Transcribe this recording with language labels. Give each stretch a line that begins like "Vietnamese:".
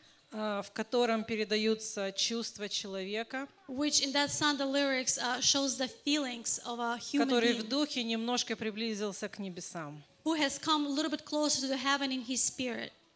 Russian: в котором передаются чувства человека,
English: which in that song the lyrics shows the feelings of a human being,
Russian: который в духе немножко приблизился к небесам,
English: who has come a little bit closer to the heaven in his spirit.